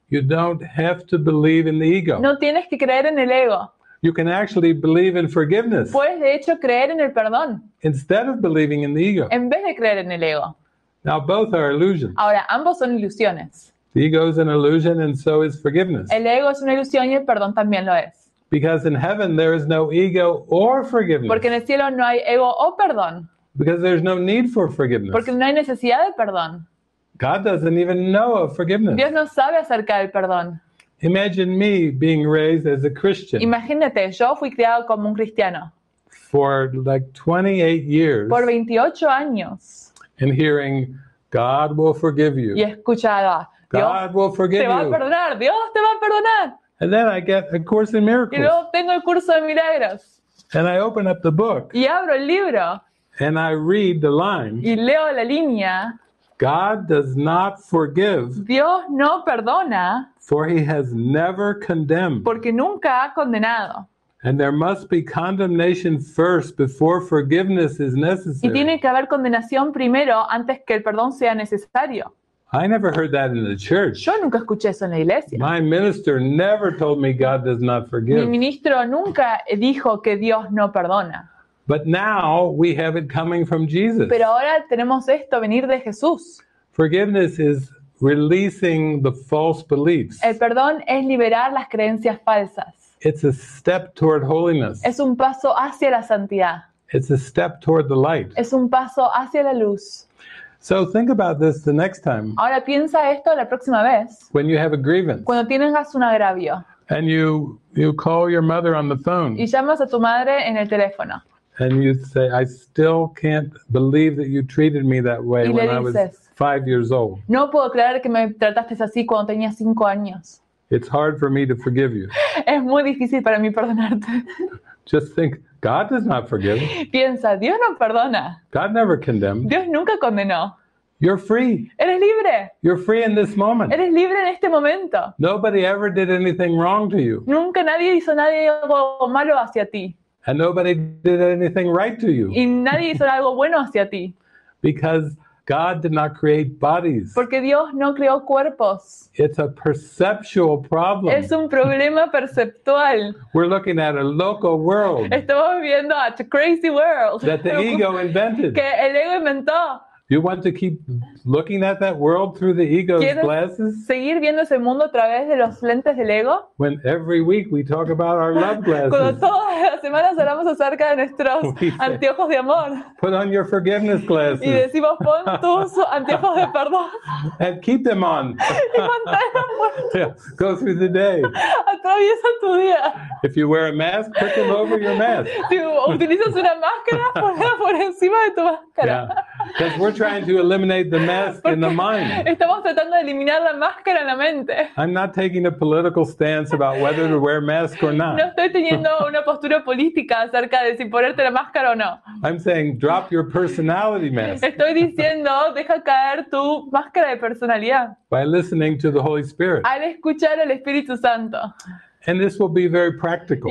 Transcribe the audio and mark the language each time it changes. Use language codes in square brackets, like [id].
[en] You don't have to believe in the ego. [es] No tienes que creer en el ego. [en] You can actually believe in forgiveness. [es] Puedes de hecho creer en el perdón. [en] Instead of believing in the ego. [es] En vez de creer en el ego. [en] Now both are illusions. [es] Ahora ambos son ilusiones. [en] The ego is an illusion and so is forgiveness. [es] El ego es una ilusión y el perdón también lo es. [en] Because in heaven there is no ego or forgiveness. [es] Porque en el cielo no hay ego o perdón. [en] Because there's no need for forgiveness. [es] Porque no hay necesidad de perdón. [en] God doesn't even know of forgiveness. [es] Dios no sabe acerca del perdón. [en] Imagine me being raised as a Christian. [es] Imagínate, yo fui criado como un cristiano. [en] For like 28 years. [es] Por 28 años. [en] And hearing God will forgive you. [es] Y escuchaba, [en] God will forgive you. [es] Te va a perdonar, Dios te va a perdonar. [en] And then I get a Course in Miracles. [es] Y luego tengo el curso de milagros. [en] And I open up the book. [es] Y abro el libro. [en] And I read the line. [es] Y leo la línea. [en] God does not forgive. [es] Dios no perdona. [en] For he has never condemned. [es] Porque nunca ha condenado. [en] And there must be condemnation first before forgiveness is necessary. [es] Y tiene que haber condenación primero antes que el perdón sea necesario. [en] I never heard that in the church. [es] Yo nunca escuché eso en la iglesia. [en] My minister never told me God does not forgive. [es] Mi ministro nunca dijo que Dios no perdona. [en] But now we have it coming from Jesus. [es] Pero ahora tenemos esto venir de Jesús. [en] Forgiveness is releasing the false beliefs. [es] El perdón es liberar las creencias falsas. [en] It's a step toward holiness. [es] Es un paso hacia la santidad. [en] It's a step toward the light. [es] Es un paso hacia la luz. [en] So think about this the next time. [es] Ahora piensa esto la próxima vez. [en] When you have a grievance. [es] Cuando tienes un agravio. [en] And you call your mother on the phone. [es] Y llamas a tu madre en el teléfono. [en] And you say, I still can't believe that you treated me that way [es] y le [en] when [es] dices, [en] I was 5 years old. [es] No puedo creer que me trataste así cuando tenía 5 años. [en] It's hard for me to forgive you. [es] Es muy difícil para mí perdonarte. [en] Just think, God does not forgive. [es] Piensa, Dios no perdona. [en] God never condemned. [es] Dios nunca condenó. [en] You're free. [es] Eres libre. [en] You're free in this moment. [es] Eres libre en este momento. [en] Nobody ever did anything wrong to you. [es] Nunca nadie hizo nada malo hacia ti. [en] And nobody did anything right to you. [es] Y nadie hizo algo bueno hacia ti. [en] Because God did not create bodies. [es] Porque Dios no creó cuerpos. [en] It's a perceptual problem. [es] Es un problema perceptual. [en] We're looking at a local world. [es] Estamos viendo a [en] crazy world. That the ego invented. [es] Que el ego inventó. [en] You want to keep looking at that world through the ego's [es] ¿Quieres [en] glasses? [es] Seguir viendo ese mundo a través de los lentes del ego? [en] When every week we talk about our love glasses. [es] Cuando todas las semanas hablamos acerca de nuestros anteojos de amor. [en] Put on your forgiveness glasses. [es] Y decimos, pon tus anteojos de perdón. [en] And keep them on. [es] Y manténlos. [en] Go through the day. [es] Atraviesa tu día. [en] If you wear a mask, put them over your mask. [es] Si utilizas una máscara, ponla por encima de tu máscara. [en] Yeah. Because we're trying to eliminate the mask in the mind. [es] Estamos tratando de eliminar la máscara en la mente. [en] I'm not taking a political stance about whether to wear mask or not. [es] No estoy teniendo una postura política acerca de si ponerte la máscara o no. [en] I'm saying drop your personality mask. [es] Estoy diciendo deja caer tu máscara de personalidad. [en] By listening to the Holy Spirit. [es] Al escuchar al Espíritu Santo. [en] And this will be very practical.